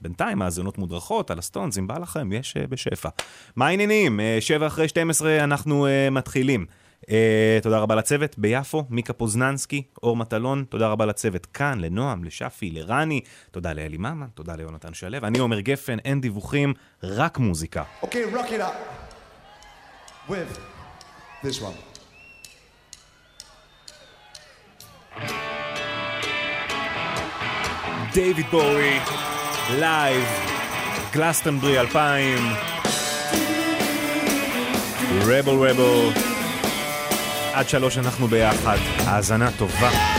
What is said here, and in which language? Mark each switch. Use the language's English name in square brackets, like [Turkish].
[Hebrew] בינתיים, האזנות מודרכות על הסטונס, אם בא לכם, יש בשפע. מה העניינים? 7 אחרי 12 אנחנו מתחילים. תודה רבה לצוות ביפו, מיקה פוזננסקי, אור מטלון, תודה רבה לצוות כאן, לנועם, לשפי, לרני, תודה לאלי ממן, תודה ליונתן שלב, אני עומר גפן, אין דיווחים, רק מוזיקה. [English] Okay, rock it up with this one. [Hebrew] דייוויד בואי, לייב, גלסטנברי 2000, רבל רבל. עד שלוש אנחנו ביחד, האזנה טובה.